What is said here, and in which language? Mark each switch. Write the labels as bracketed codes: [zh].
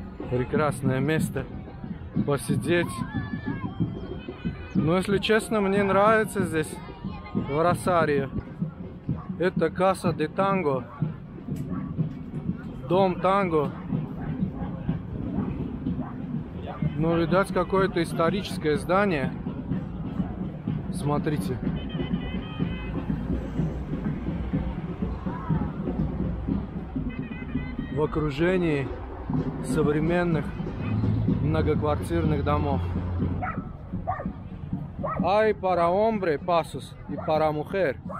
[ru] Прекрасное место посидеть. Но, если честно, мне нравится здесь, в Росарио. Это Casa de Tango. Дом танго. Ну, видать, какое-то историческое здание. Смотрите. В окружении современных многоквартирных домов. [es] Hay para hombre pasos y para mujer.